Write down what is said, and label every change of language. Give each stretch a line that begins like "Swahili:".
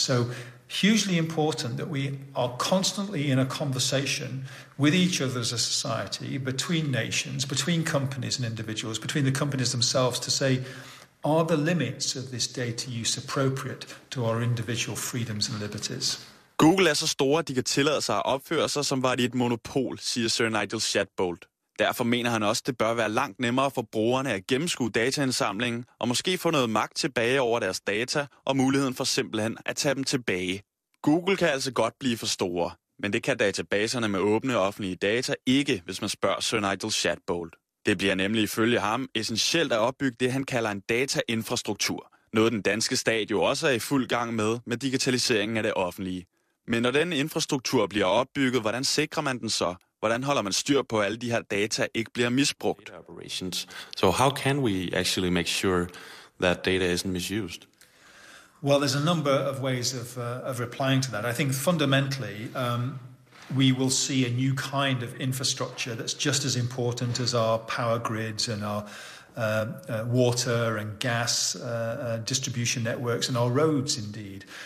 English: So hugely important that we are constantly in a conversation with each other as a society, between nations, between companies and individuals, between the companies themselves, to say, are the limits of this data use appropriate to our individual freedoms and liberties?
Danish: Google er så store, at de kan tillade sig at opføre sig, som var det et monopol, siger Sir Nigel Shadbolt. Derfor mener han også, det bør være langt nemmere for brugerne at gennemskue dataindsamlingen og måske få noget magt tilbage over deres data og muligheden for simpelthen at tage dem tilbage. Google kan altså godt blive for store, men det kan databaserne med åbne offentlige data ikke, hvis man spørger Sir Nigel Shadbolt. Det bliver nemlig ifølge ham essentielt at opbygge det, han kalder en datainfrastruktur. Noget den danske stat jo også er i fuld gang med digitaliseringen af det offentlige. Men når den infrastruktur bliver opbygget, hvordan sikrer man den så? Hvordan holder man styr på, at alle de her data ikke bliver misbrugt?
English: So how can we actually make sure that data isn't misused? Well, there's a number of ways of replying to that. I think fundamentally, we will see a new kind of infrastructure that's just as important as our power grids and our water and gas distribution networks and our roads indeed.